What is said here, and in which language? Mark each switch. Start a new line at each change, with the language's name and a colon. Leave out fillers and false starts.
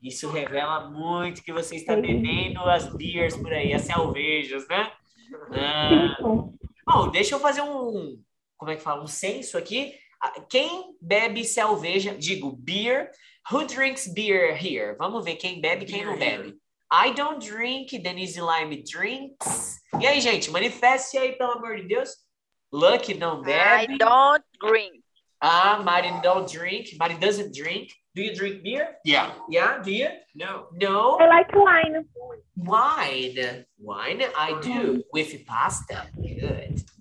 Portuguese: Isso revela muito que você está bebendo as beers por aí, as cervejas, né? Bom, deixa eu fazer um, como é que fala, um censo aqui. Quem bebe cerveja, digo
English: beer, who drinks beer here?
Portuguese: Vamos ver quem bebe e quem não bebe.
English: I don't drink, Denise Lime drinks.
Portuguese: E aí, gente, manifeste aí, pelo amor de Deus. Lucky não bebe.
English: I don't drink. Ah, Mari don't drink. Mari doesn't drink. Do you drink beer? Yeah. Yeah, do you? No. No? I like wine. Wine. Wine, I do. With pasta. Good.